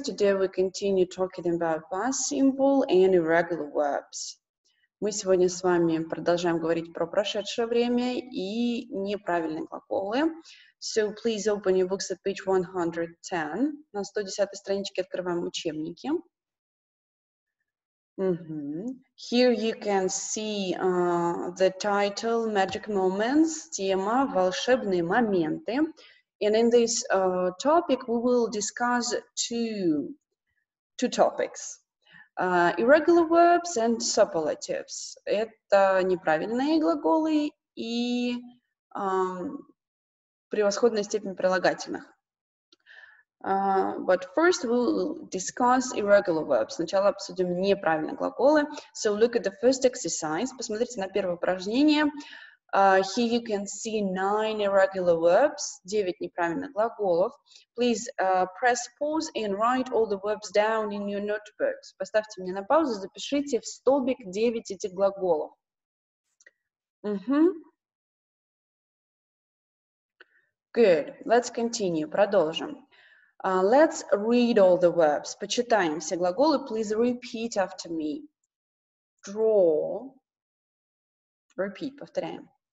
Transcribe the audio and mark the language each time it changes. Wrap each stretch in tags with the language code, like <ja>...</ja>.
<en>Today we continue talking about past simple and irregular verbs.</en> <ru>Мы сегодня с вами продолжаем говорить про прошедшее время и неправильные глаголы.</ru> <en>So please open your books at page 110.</en> <ru>На 110 страничке открываем учебники.</ru> <en>Here you can see the title Magic Moments, тема «Волшебные моменты». And in this topic, we will discuss two topics. Irregular verbs and superlatives.</en> <ru>Это неправильные глаголы и превосходная степень прилагательных.</ru> <en>But first, we will discuss irregular verbs.</en> <ru>Сначала обсудим неправильные глаголы.</ru> <en>So look at the first exercise.</en> <ru>Посмотрите на первое упражнение.</ru> <en>Here you can see 9 irregular verbs, 9 неправильных глаголов. Please press pause and write all the verbs down in your notebooks.</en> <ru>Поставьте мне на паузу, запишите в столбик 9 этих глаголов.</ru> <en>Good, let's continue, продолжим. Let's read all the verbs. Почитаем все глаголы, please repeat after me. Draw, repeat, повторяем.</en>